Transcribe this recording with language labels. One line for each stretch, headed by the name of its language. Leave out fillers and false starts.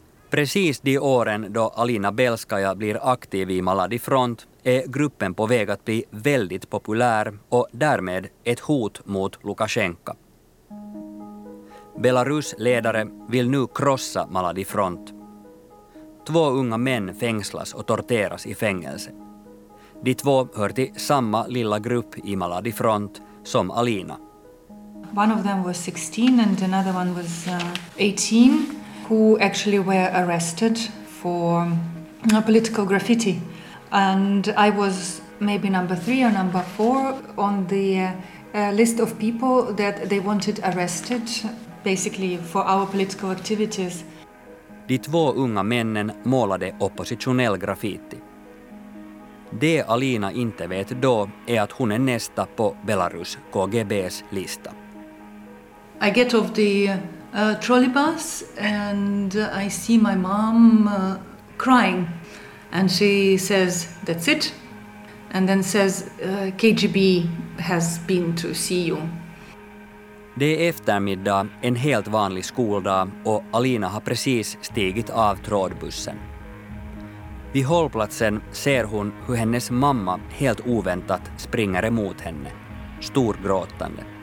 Swedish: Precis de åren då Alina Belskaja blir aktiv i Maladi Front är gruppen på väg att bli väldigt populär och därmed ett hot mot Lukasjenko. Belarus ledare vill nu krossa Maladi Front. Två unga män fängslas och torteras i fängelse. De två hör till samma lilla grupp i Maladi Front som Alina.
English: One of them was 16 and another one was 18, who actually were arrested for political graffiti. And I was maybe number 3 or number 4 on the list of people that they wanted arrested, basically for our political activities.
Swedish: De två unga männen målade oppositionell graffiti. Det Alina inte vet då är att hon är nästa på Belarus KGB:s lista.
English: I get off the trolley bus and I see my mom crying, and she says that's it, and then says KGB has been to see you.
Swedish: Det är eftermiddag, en helt vanlig skoldag, och Alina har precis stigit av trådbussen. Vid hållplatsen ser hon hur hennes mamma helt oväntat springer emot henne, storgråtande.